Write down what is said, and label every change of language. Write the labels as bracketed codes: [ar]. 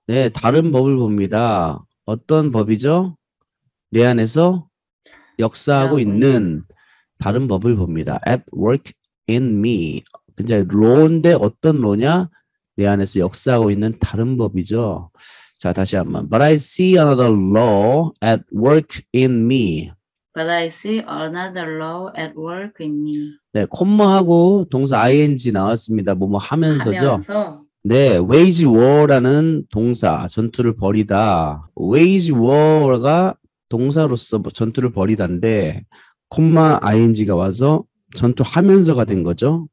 [ko] 네, 다른 법을 봅니다. 어떤 법이죠? 내 안에서 역사하고 있는 다른 법을 봅니다. [en] At work in me. [ko] 이제 law인데 어떤 law냐? 내 안에서 역사하고 있는 다른 법이죠. 자, 다시 한 번. [en] But I see another law at work in me. But I see another law at work in me. [ko] 네, 콤마하고 동사 ing 나왔습니다. 뭐뭐 하면서죠. 하면서. 네, wage war라는 동사, 전투를 벌이다. Wage war가 동사로서 전투를 벌이다인데 콤마 ing가 와서 전투하면서가 된 거죠.